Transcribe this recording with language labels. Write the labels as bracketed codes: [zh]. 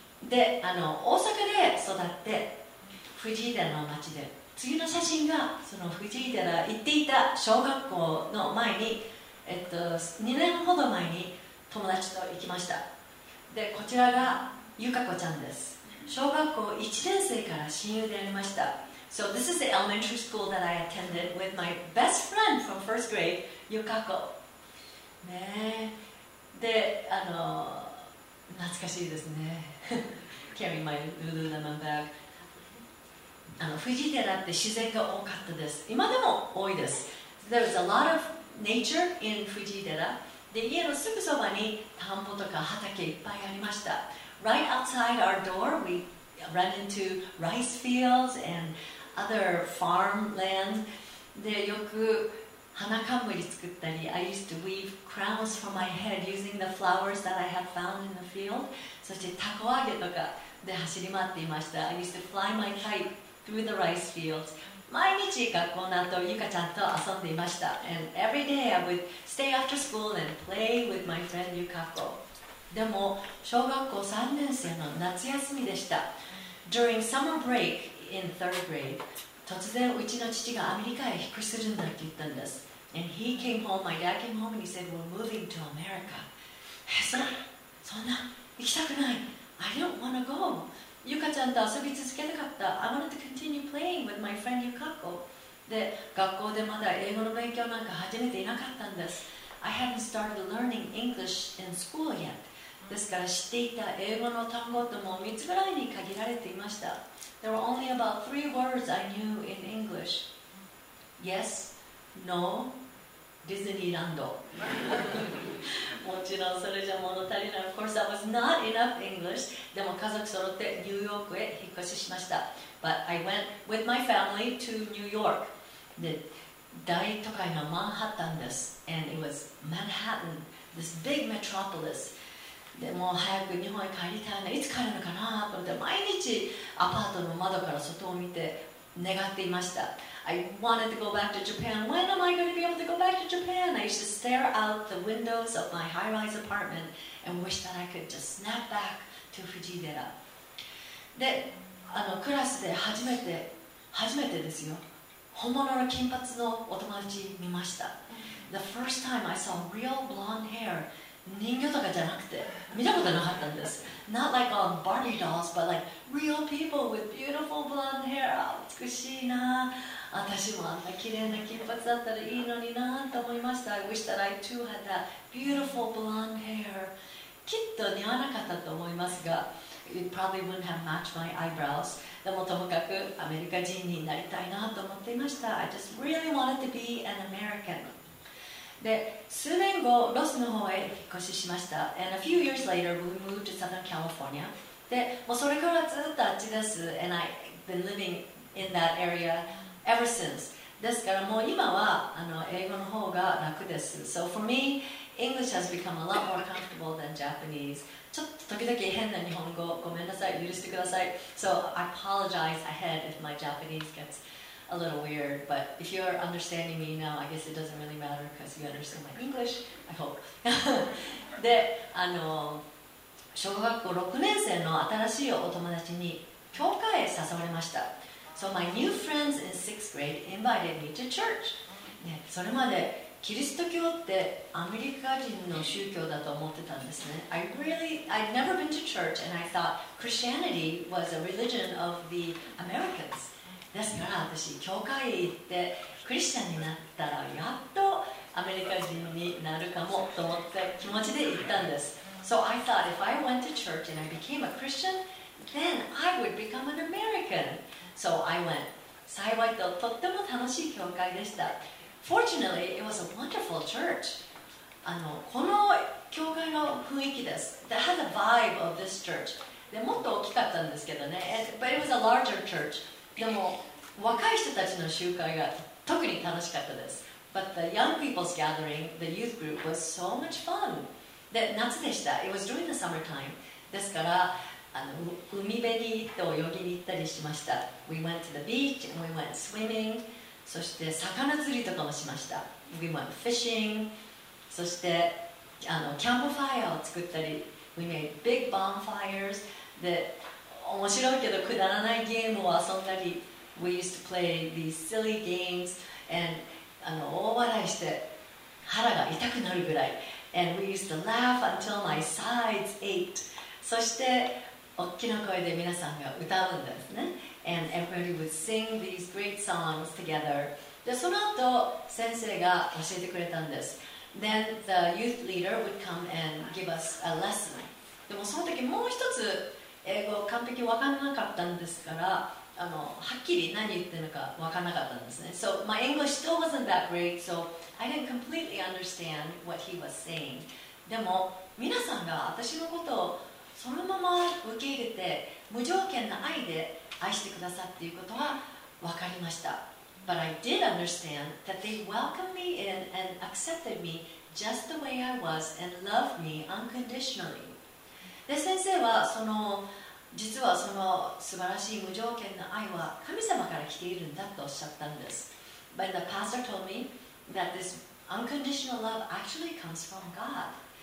[ja] で大阪で育って藤井寺の町で次の写真がその藤井寺行っていた小学校の前に、2年ほど前に友達と行きました。でこちらがゆかこちゃんです。小学校1年生から親友でありました。 [en] So this is the elementary school that I attended with my best friend from first grade, ゆかこ。 [ja] ねえ、で懐かしいですね。 [en] Carrying my Lululemon bag. [ja] 富士寺って自然が多かったです。今でも多いです。 [en] There's a lot of nature in 富士寺。 [ja] で、家のすぐそばに田んぼとか畑いっぱいありました。 [en] Right outside our door, we run into rice fields and other farmland. [ja] で、よく花冠作ったり、 [en] I used to weave crowns for my head using the flowers that I have found in the field. [ja] そしてたこ揚げとかで走り回っていました。 [en] I used to fly my kite through the rice fields. [ja] 毎日学校の後、ゆかちゃんと遊んでいました。 [en] And every day I would stay after school and play with my friend Yukako. [ja] でも、小学校3年生の夏休みでした。 [en] During summer break in third grade, [ja] 突然うちの父がアメリカへ引っ越しするんだって言ったんです。 [en] And he came home, my dad came home and he said, we're moving to America. [ja] そんな行きたくない。 [en] I don't want to go. [ja] ゆかちゃんと遊び続けたかった。 [en] I wanted to continue playing with my friend Yukako. [ja] で、学校でまだ英語の勉強なんか始めていなかったんです。 [en] I hadn't started learning English in school yet. [ja] ですから知っていた英語の単語とも3つぐらいに限られていました。 [en] There were only about 3 words I knew in English. Yes, no, Disneyland. [ja] もちろんそれじゃ物足りない。 [en] Of course, that was not enough English. [ja] でも家族揃ってニューヨークへ引っ越ししました。 [en] But I went with my family to New York. [ja] で、大都会のマンハッタンです。 [en] And it was Manhattan, this big metropolis. [ja] でも早く日本へ帰りたいな、いつ帰るのかなと思って毎日アパートの窓から外を見て願っていました。 [en] I wanted to go back to Japan. When am I going to be able to go back to Japan? I used to stare out the windows of my high-rise apartment and wish that I could just snap back to 富士寺。 [ja] で、クラスで初めてですよ、本物の金髪のお友達見ました。 [en] The first time I saw real blonde hair. [ja] 人形とかじゃなくて見たことなかったんです。 [en] Not like on Barbie dolls, but like real people with beautiful blonde hair. [ja] 美しいな。私もあんな綺麗な金髪だったらいいのになと思いました。 [en] I wish that I too had that beautiful blonde hair. [ja] きっと似合わなかったと思いますが、 [en] It probably wouldn't have matched my eyebrows. [ja] でもともかくアメリカ人になりたいなと思っていました。 [en] I just really wanted to be an American. [ja] で、数年後ロスの方へ引っ越ししました。 [en] And a few years later we moved to Southern California. [ja] で、もうそれからずっとあっちです。 [en] And I've been living in that area ever since. [ja] ですからもう今は英語の方が楽です。 [en] So for me, English has become a lot more comfortable than Japanese. [ja] ちょっと時々変な日本語ごめんなさい、許してください。 [en] So I apologize ahead if my Japanese gets a little weird, but if you're understanding me now, I guess it doesn't really matter because you understand my English, I hope. [ja] で、小学校6年生の新しいお友達に教会へ誘われました。 [en] So my new friends in sixth grade invited me to church. [ja] ね、それまでキリスト教ってアメリカ人の宗教だと思ってたんですね。 [en] I'd never been to church and I thought Christianity was a religion of the Americans. [ja] ですから私教会へ行ってクリスチャンになったらやっとアメリカ人になるかもと思って気持ちで行ったんです。 [en] So I thought if I went to church and I became a Christian, then I would become an American. So I went. [ja] 幸いととっても楽しい教会でした。 [en] Fortunately, it was a wonderful church. [ja] あのこの教会の雰囲気です。 [en] That had the vibe of this church. [ja] でもっと大きかったんですけどね。 [en] But it was a larger church. [ja] でも若い人たちの集会が特に楽しかったです。 [en] But the young people's gathering, the youth group, was so much fun. [ja] で夏でした。 [en] It was during the summertime. [ja] ですから、あの海辺に行って泳ぎに行ったりしました。 [en] We went to the beach and we went swimming. [ja] そして魚釣りとかもしました。 [en] We went fishing. [ja] そしてあのキャンプファイアを作ったり。 [en] We made big bonfires. [ja] で、面白いけどくだらないゲームを遊んだり。 [en] We used to play these silly games and [ja] あの大笑いして腹が痛くなるぐらい。 [en] And we used to laugh until my sides ached. [ja] そして大きな声で皆さんが歌うんですね。 [en] And everybody would sing these great songs together. [ja] で、その後、先生が教えてくれたんです。 [en] Then the youth leader would come and give us a lesson. [ja] でもその時もう一つ英語完璧わかんなかったんですから、あのはっきり何言ってるのかわかんなかったんですね。 [en] So my English still wasn't that great, so I didn't completely understand what he was saying. [ja] でも皆さんが私のことをそのまま受け入れて無条件の愛で愛してくださっていうことは分かりました。 [en] But I did understand that they welcomed me in and accepted me just the way I was and loved me unconditionally. [ja] で先生はその実はその素晴らしい無条件の愛は神様から来ているんだとおっしゃったんです。 [en] But the pastor told me that this unconditional love actually comes from God.